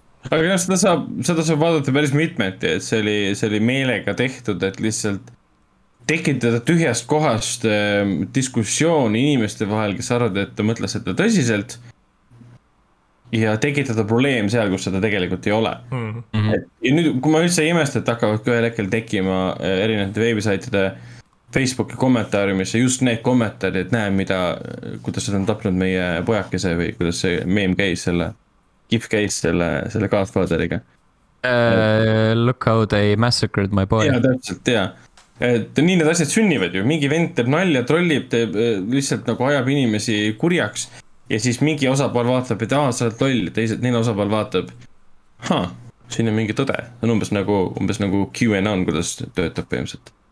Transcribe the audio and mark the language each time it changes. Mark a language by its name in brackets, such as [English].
[Estonian] Aga jah, seda saab vaadata päris mitmeti, et see oli meelega tehtud, et lihtsalt tekitada tühjast kohast diskussioon inimeste vahel, kes arvad, et ta mõtles, et ta tõsiselt ja tekitada probleem seal, kus seda tegelikult ei ole. Mm-hmm. Ja nüüd, kui ma üldse imestan, et hakkavad kõhel hetkel tekima erinevate veebisaitide Facebooki kommentaariumisse just need kommentaarid, et näe, mida, kuidas seda on tapnud meie pojakese või kuidas see meem käis selle, gif käis selle Godfatheriga. [English] Look how they massacred my boy. [Estonian] Ja täpselt, jah. Et nii need asjad sünnivad ju. Mingi vend teeb nalja, trollib, teeb lihtsalt nagu ajab inimesi kurjaks ja siis mingi osapal vaatab, et sa oled loll, teised neil osapal vaatab, siin on mingi tõde. See on umbes nagu QAnon, kuidas töötab põhimõtteliselt.